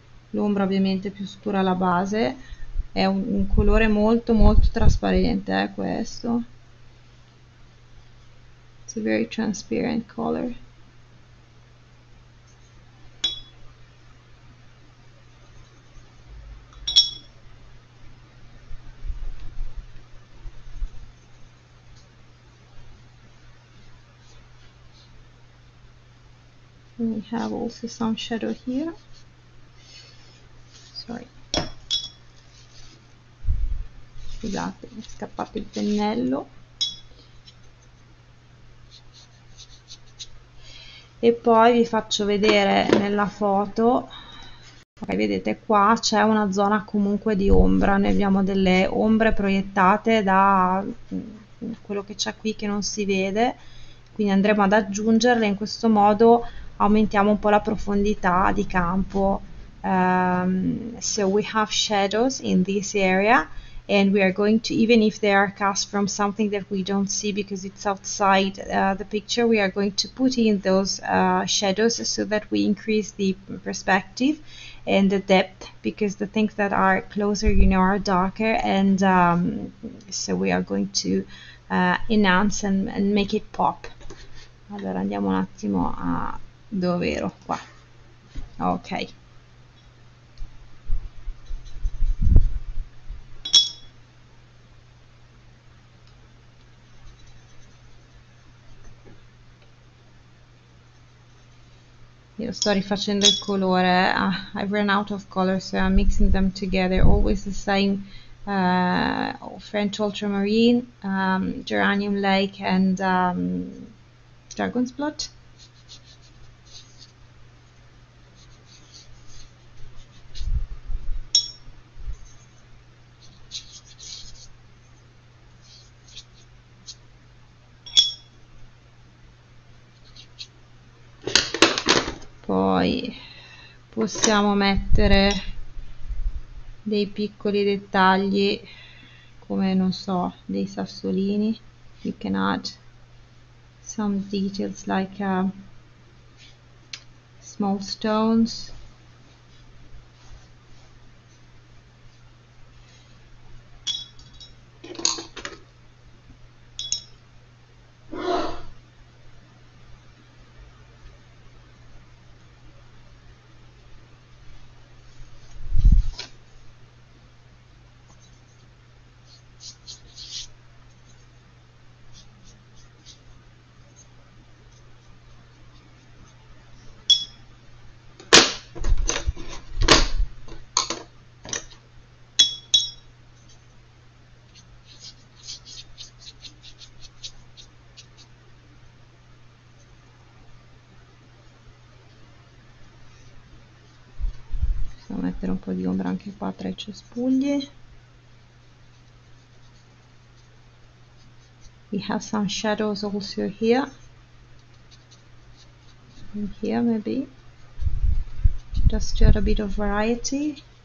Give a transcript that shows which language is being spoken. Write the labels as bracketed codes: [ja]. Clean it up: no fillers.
[it] L'ombra ovviamente più scura alla base. È un colore molto molto trasparente, questo. [en] It's a very transparent color. We have also some shadow here. Sorry. [it] Scusate, mi è scappato il pennello. E poi vi faccio vedere nella foto. Okay, vedete qua c'è una zona comunque di ombra. Noi abbiamo delle ombre proiettate da quello che c'è qui che non si vede. Quindi andremo ad aggiungerle in questo modo. Aumentiamo un po' la profondità di campo. [en] So we have shadows in this area and we are going to, even if they are cast from something that we don't see because it's outside the picture, we are going to put in those shadows so that we increase the perspective and the depth because the things that are closer, you know, are darker and so we are going to Enhance and make it pop. [it] Allora andiamo un attimo a dove ero qua. Ok. Io sto rifacendo il colore. [en] I've run out of color, so I'm mixing them together. Always the same. French ultramarine, geranium lake, and dragon's blood. [it] Poi possiamo mettere dei piccoli dettagli come, non so, dei sassolini. [en] You can add some details like small stones. [it] Mettere un po' di ombra anche qua tra i cespugli. [en] We have some shadows also here. And here maybe. Just to add a bit of variety.